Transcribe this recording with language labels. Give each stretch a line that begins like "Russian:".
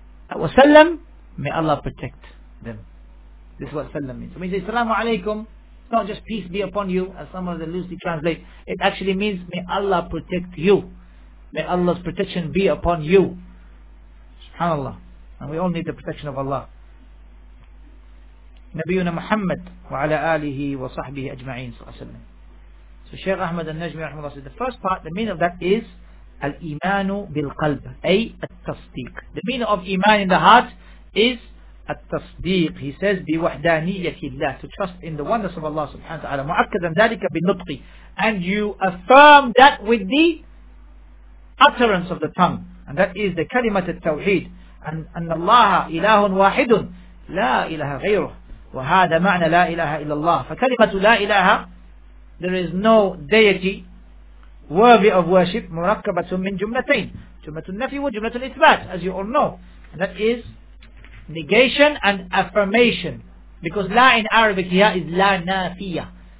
English: Wasallam, may Allah protect them. This is what sallam means. When we say salamu alaykum, it's not just peace be upon you, as some of the loosely translate. It actually means, may Allah protect you. May Allah's protection be upon you. SubhanAllah. And we all need the protection of Allah.
Arabic: نبينا محمد وعلى آله وصحبه أجمعين صلى الله عليه وسلم.
English: So Sheikh Ahmad al-Najmi رحمه الله said, the first part, the meaning of that is
Arabic: الإيمان بالقلب أي التصديق.
English: The meaning of إيمان in the heart is
Arabic: التصديق.
English: He says بوحدانية الله, to trust in the oneness of Allah سبحانه وتعالى.
Arabic: مؤكدا ذلك بالنطق,
English: and you affirm that with the utterance of the tongue, and that is the
Arabic: كلمة التوحيد, and أن الله إله واحد لا إله غيره, وهذا معنى لا إله إلا الله.
English: فكلمة لا إله, there is no deity worthy of worship,
Arabic: مركبة من جملتين, جملة النفي وجملة الإثبات,
English: as you all know, and that is negation and affirmation, because لا in Arabic here is لا نافية.